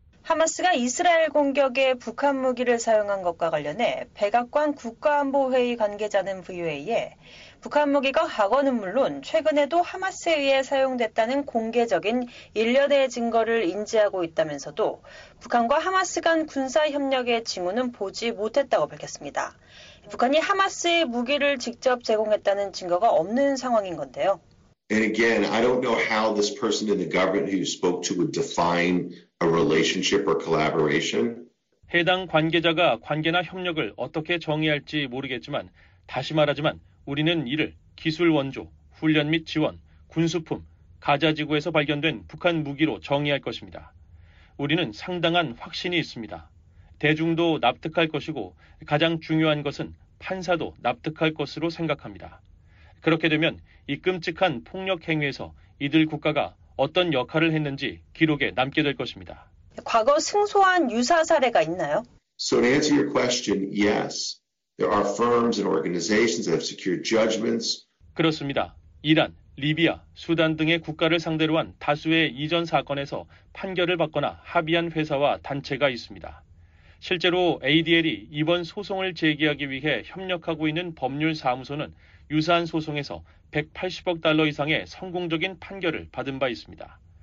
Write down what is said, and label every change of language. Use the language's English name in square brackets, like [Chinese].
[Korean] 하마스가 이스라엘 공격에 북한 무기를 사용한 것과 관련해 백악관 국가안보회의 관계자는 VOA에 북한 무기가 과거는 물론 최근에도 하마스에 의해 사용됐다는 공개적인 일련의 증거를 인지하고 있다면서도 북한과 하마스 간 군사협력의 징후는 보지 못했다고 밝혔습니다. 북한이 하마스의 무기를 직접 제공했다는 증거가 없는 상황인 건데요. [English] And again, I don't know how this person in the government who spoke to would define a relationship or collaboration. [Korean] 해당 관계자가 관계나 협력을 어떻게 정의할지 모르겠지만, 다시 말하지만 우리는 이를 기술 원조, 훈련 및 지원, 군수품, 가자 지구에서 발견된 북한 무기로 정의할 것입니다. 우리는 상당한 확신이 있습니다. 대중도 납득할 것이고 가장 중요한 것은 판사도 납득할 것으로 생각합니다. 그렇게 되면 이 끔찍한 폭력 행위에서 이들 국가가 어떤 역할을 했는지 기록에 남게 될 것입니다. 과거 승소한 유사 사례가 있나요? [English] So to answer your question, yes. There are firms and organizations that have secured judgments. [Korean] 그렇습니다. 이란, 리비아, 수단 등의 국가를 상대로 한 다수의 이전 사건에서 판결을 받거나 합의한 회사와 단체가 있습니다. 실제로 ADL이 이번 소송을 제기하기 위해 협력하고 있는 법률사무소는 유사한 소송에서 180억 달러 이상의 성공적인 판결을 받은 바 있습니다.